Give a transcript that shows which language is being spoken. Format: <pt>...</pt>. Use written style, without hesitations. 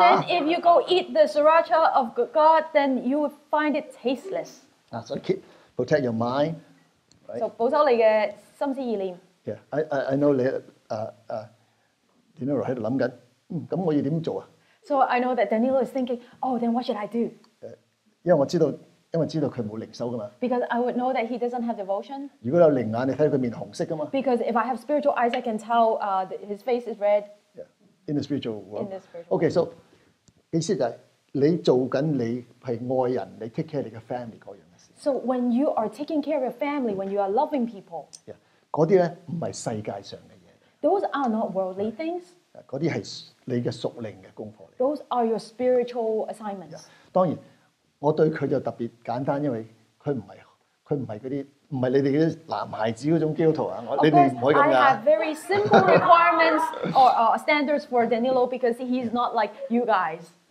<en>Then if you go eat the Sriracha of God, then you would find it tasteless. So keep protect your mind,</en> <yue>So 保守你嘅心思意念。</yue> <en>Yeah, I know</en> <yue>你Danilo 喺度諗緊，咁我要點做啊</yue> <en>？So I know that Danilo is thinking, oh, then what should I do?</en> <yue>因為我知道，因為知道佢冇靈修噶嘛。</yue> <en>Because I would know that he doesn't have devotion.</en> <yue>如果有靈眼，你睇佢面紅色噶嘛。</yue> <en>Because if I have spiritual eyes, I can tell his face is red. Yeah, in the spiritual world. In the spiritual world.</en> <yue>Okay, so 意思就係你做緊你係愛人，你</yue> <en>take care</en> <yue>你嘅 family 嗰樣嘅事。</yue> <en>So when you are taking care of your family, when you are loving people. Yeah.</en> <yue>嗰啲咧唔係世界上嘅嘢。</yue> <en>Those are not worldly things。</en> <yue>嗰啲係你嘅屬靈嘅功課。</yue> <en>Those are your spiritual assignments。</en> <yue>當然，我對佢就特別簡單，因為佢唔係嗰啲唔係你哋啲男孩子嗰種基督徒啊！你哋唔可以咁噶。</yue> <en>I have very simple requirements or standards for Danilo because he's not like you guys。</en>